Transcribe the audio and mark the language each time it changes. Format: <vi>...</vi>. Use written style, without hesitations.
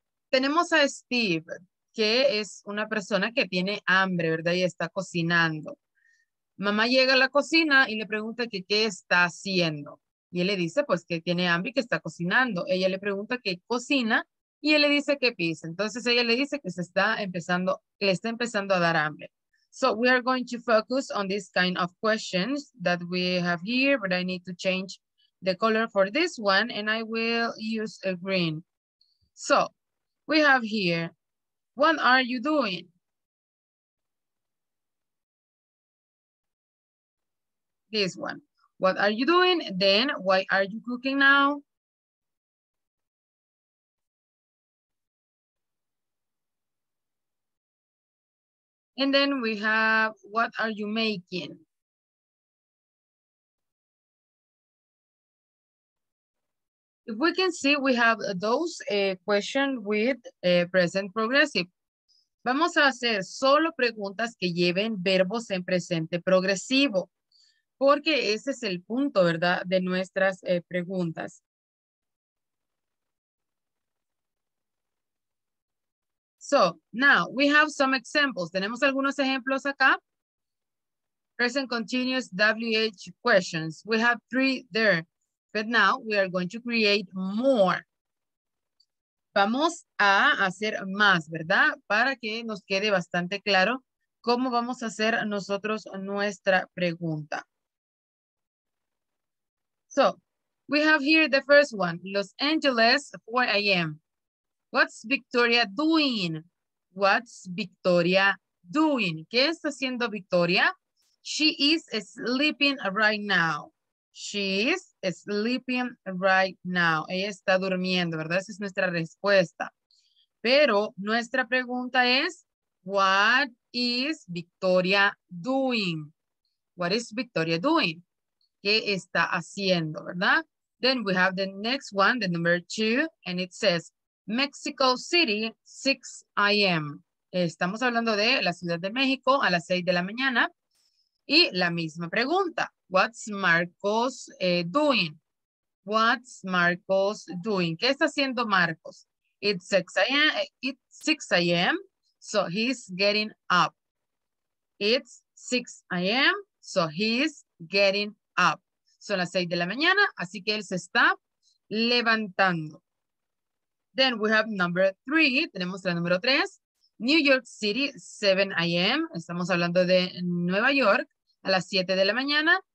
<es>Tenemos a Steve, que es una persona que tiene hambre, ¿verdad? Y está cocinando. Mamá llega a la cocina y le pregunta que qué está haciendo. Y él le dice, pues, que tiene hambre y que está cocinando. Ella le pregunta que cocina Y él le dice que pisa. Entonces ella le dice que se está empezando, le está empezando a dar hambre.</es> <en>So we are going to focus on this kind of questions that we have here, but I need to change the color for this one and I will use a green. So we have here, what are you doing? This one. What are you doing? Then why are you cooking now? And then we have, what are you making? If we can see, we have those questions with present progressive.</en> <es>Vamos a hacer solo preguntas que lleven verbos en presente progresivo, porque ese es el punto, ¿verdad?, de nuestras preguntas.</es> <en>So, now we have some examples.</en> <es>Tenemos algunos ejemplos acá.</es> <en>Present continuous WH questions. We have three there. But now we are going to create more.</en> <es>Vamos a hacer más, ¿verdad? Para que nos quede bastante claro cómo vamos a hacer nosotros nuestra pregunta.</es> <en>So, we have here the first one. Los Angeles, 4 a.m. What's Victoria doing? What's Victoria doing?</en> <es>¿Qué está haciendo Victoria?</es> <en>She is sleeping right now. She is sleeping right now.</en> <es>Ella está durmiendo, ¿verdad? Esa es nuestra respuesta. Pero nuestra pregunta es,</es> <en>what is Victoria doing? What is Victoria doing?</en> <es>¿Qué está haciendo, verdad?</es> <en>Then we have the next one, the number two, and it says, Mexico City, 6 a.m.</en> <es>Estamos hablando de la Ciudad de México a las 6 de la mañana. Y la misma pregunta,</es> <en>what's Marcos doing? What's Marcos doing?</en> <es>¿Qué está haciendo Marcos?</es> <en>It's 6 a.m., it's 6 a.m., so he's getting up. It's 6 a.m., so he's getting up.</en> <es>Son las 6 de la mañana, así que él se está levantando.</es> <en>Then we have number three,</en> <es>tenemos la número tres.</es> <en>New York City, 7 a.m.</en> <es>Estamos hablando de Nueva York a las 7 de la mañana.</es>